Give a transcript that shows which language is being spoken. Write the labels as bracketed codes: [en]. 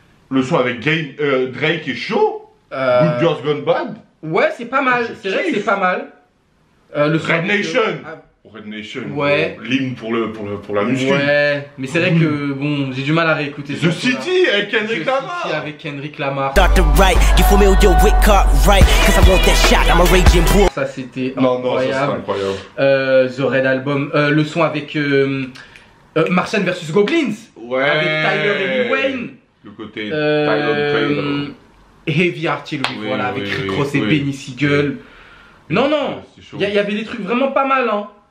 [fr] Le son avec Game, Drake et Shaw. [en] Good Girls Gone Bad. [fr] Ouais, c'est pas mal, c'est vrai que c'est pas mal. Le son [en] Red Nation. Red Nation, [fr] ouais. L'hymne pour la musique. Ouais, mais c'est vrai que bon, j'ai du mal à réécouter. The City avec Kendrick Lamar. The City avec Kendrick Lamar. [en] Dr. Wright, you fool me with your wick cut right, cause I want that shot, I'm a raging bull. [fr] Ça c'était incroyable. Non, non, ça c'était incroyable. The Red Album, le son avec Martian vs Goblins. Ouais. Avec Tyler et Lil Wayne. Le côté Tyler Taylor. Heavy Artillery, oui, voilà, avec Rick Ross et Benny Siegel. Non, non, il y avait des trucs vraiment pas mal, hein.